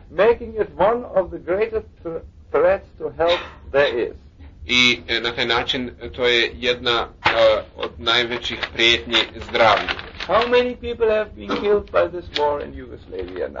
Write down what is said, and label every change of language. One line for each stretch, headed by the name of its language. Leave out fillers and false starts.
English: Making it one of the greatest threats to health there is.
Croatian: I na taj način to je jedna od najvećih prijetnji zdravlju.
English: How many people have been killed by this war in Yugoslavia now?